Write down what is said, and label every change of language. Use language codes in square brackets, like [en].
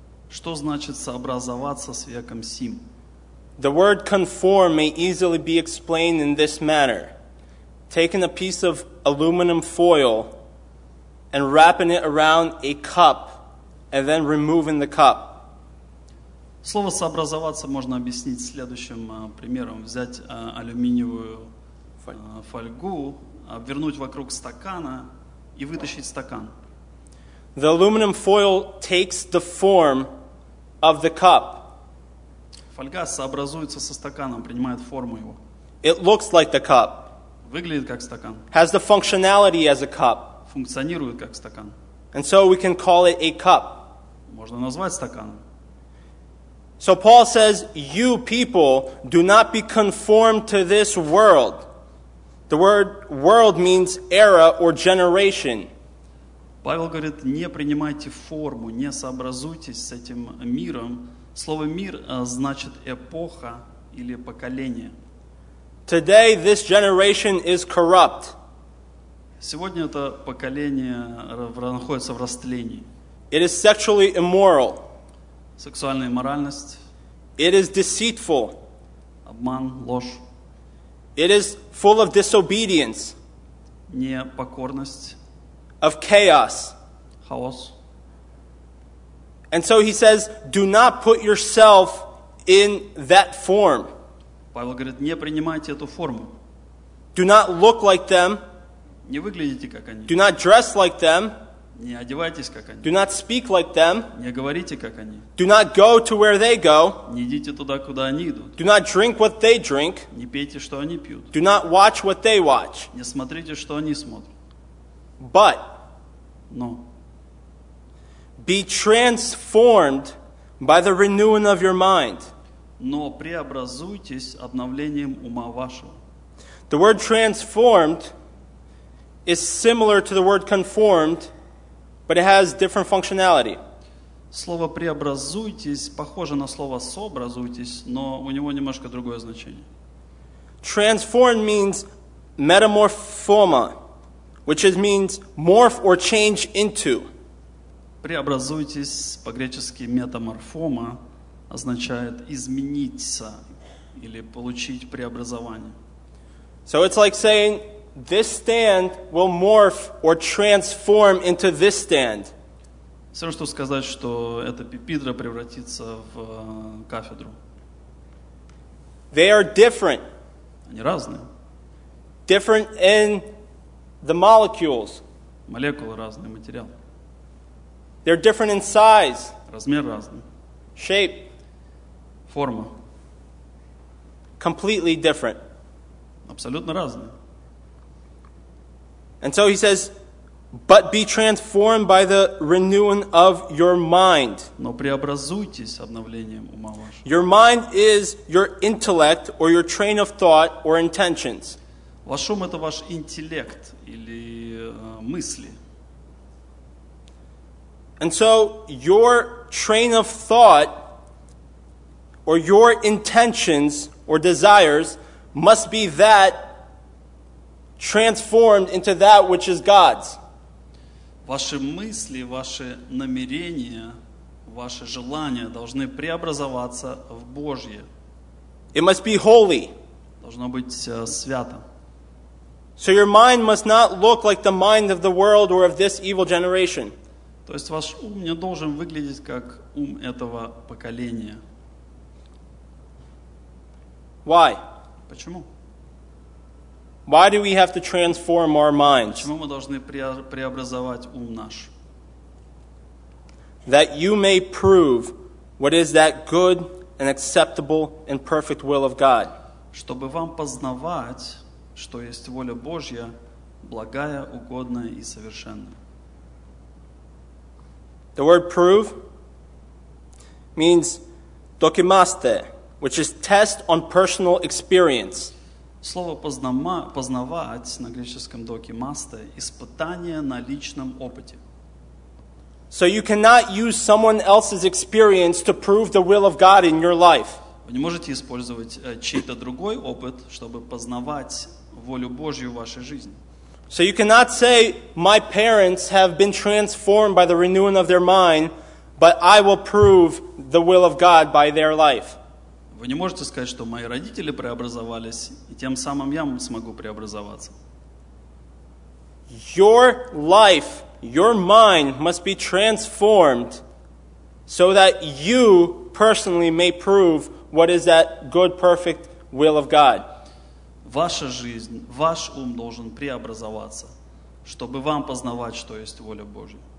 [ru] Что значит сообразоваться с веком сим? [en] The word conform may easily be explained in this manner. Taking a piece of aluminum foil and wrapping it around a cup and then removing the cup. [ru] Слово «сообразоваться» можно объяснить следующим примером. Взять алюминиевую фольгу, обвернуть вокруг стакана и вытащить стакан. [en] The aluminum foil takes the form of the cup. [ru] Фольга сообразуется со стаканом, принимает форму его. [en] It looks like the cup. [ru] Выглядит как стакан. [en] Has the functionality as a cup. [ru] Функционирует как стакан. [en] And so we can call it a cup. [ru] Можно назвать стаканом. [en] So Paul says, you people, do not be conformed to this world. The word world means era or generation. [ru] Павел говорит, не принимайте форму, не сообразуйтесь с этим миром. Слово мир значит эпоха или поколение. [en] Today this generation is corrupt. [ru] Сегодня это поколение находится в растлении. [en] It is sexually immoral. [ru] Сексуальная моральность. [en] It is deceitful. [ru] Обман, ложь. [en] It is full of disobedience. [ru] Непокорность. [en] Of chaos. [ru] Хаос. [en] And so he says, do not put yourself in that form. [ru] Павел говорит, не принимайте эту форму. [en] Do not look like them. [ru] Не выглядите как они. [en] Do not dress like them. [ru] Не одевайтесь, как они. [en] Do not speak like them. [ru] Не говорите, как они. [en] Do not go to where they go. [ru] Не идите туда, куда они идут. [en] Do not drink what they drink. [ru] Не пейте, что они пьют. [en] Do not watch what they watch. [ru] Не смотрите, что они смотрят. [en] But. [ru] Но. [en] Be transformed by the renewing of your mind. [ru] Но преобразуйтесь обновлением ума вашего. [en] The word transformed is similar to the word conformed. But it has different functionality. [ru] Слово «преобразуйтесь» похоже на слово «сообразуйтесь», но у него немножко другое значение. [en] Transform means metamorphoma, which means morph or change into. [ru] «Преобразуйтесь» по-гречески «метаморфома» означает «измениться» или «получить преобразование». [en] So it's like saying, this stand will morph or transform into this stand. [ru] Все равно, что сказать, что эта пипетра превратится в кафедру. [en] They are different. [ru] Они разные. [en] Different in the molecules. [ru] Молекулы разные, материал. [en] They're different in size. [ru] Размер разный. [en] Shape. [ru] Форма. [en] Completely different. [ru] Абсолютно разные. [en] And so he says, but be transformed by the renewing of your mind. [ru] Но преобразуйтесь обновлением ума вашего. [en] Your mind is your intellect or your train of thought or intentions. [ru] Ваш ум — это ваш интеллект или мысли. [en] And so your train of thought or your intentions or desires must be that transformed into that which is God's. [ru] Ваши мысли, ваши намерения, ваши желания должны преобразоваться в Божье. [en] It must be holy. [ru] Должно быть свято. [en] So your mind must not look like the mind of the world or of this evil generation. [ru] То есть ваш ум не должен выглядеть как ум этого поколения. [en] Why? [ru] Почему? [en] Why do we have to transform our minds? [ru] Почему мы должны преобразовать ум наш? [en] That you may prove what is that good and acceptable and perfect will of God. [ru] Чтобы вам познавать, что есть воля Божья, благая, угодная и совершенная. [en] The word prove means dokimaste, which is test on personal experience. [ru] Слово познавать на греческом dokimaste — испытание на личном опыте. [en] So you cannot use someone else's experience to prove the will of God in your life. [ru] Вы не можете использовать чей-то другой опыт, чтобы познавать волю Божью в вашей жизни. [en] So you cannot say, my parents have been transformed by the renewing of their mind, but I will prove the will of God by their life. [ru] Вы не можете сказать, что мои родители преобразовались, и тем самым я смогу преобразоваться. [en] Your life, your mind must be transformed so that you personally may prove what is that good, perfect will of God. [ru] Ваша жизнь, ваш ум должен преобразоваться, чтобы вам познавать, что есть воля Божья.